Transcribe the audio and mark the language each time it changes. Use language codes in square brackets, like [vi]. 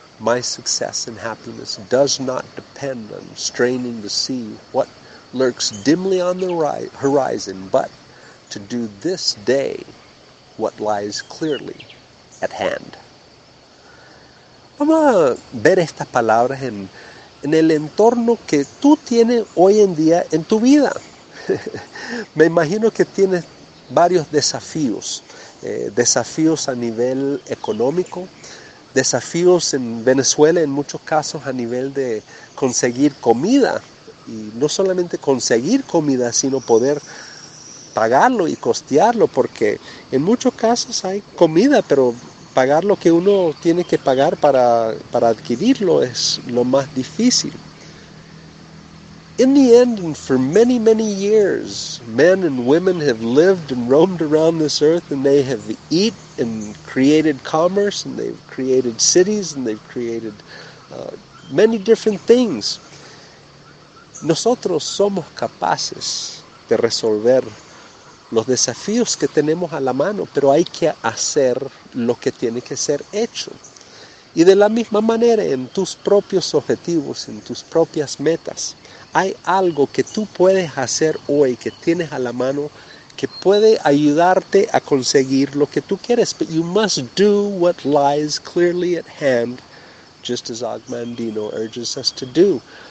[en] My success and happiness does not depend on straining to see what lurks dimly on the horizon, but to do this day what lies clearly at hand. [es] Vamos a ver estas palabras en el entorno que tú tienes hoy en día en tu vida. Me imagino que tienes varios desafíos. Desafíos a nivel económico. Desafíos en Venezuela, en muchos casos, a nivel de conseguir comida. Y no solamente conseguir comida, sino poder pagarlo y costearlo, porque en muchos casos hay comida, pero pagar lo que uno tiene que pagar para adquirirlo es lo más difícil. [en] In the end, and for many, many years, men and women have lived and roamed around this earth, and they have eaten and created commerce, and they've created cities, and they've created many different things. [es] Nosotros somos capaces de resolver los desafíos que tenemos a la mano, pero hay que hacer lo que tiene que ser hecho. Y de la misma manera, en tus propios objetivos, en tus propias metas, hay algo que tú puedes hacer hoy, que tienes a la mano, que puede ayudarte a conseguir lo que tú quieres. [en] But you must do what lies clearly at hand, just as Og Mandino urges us to do.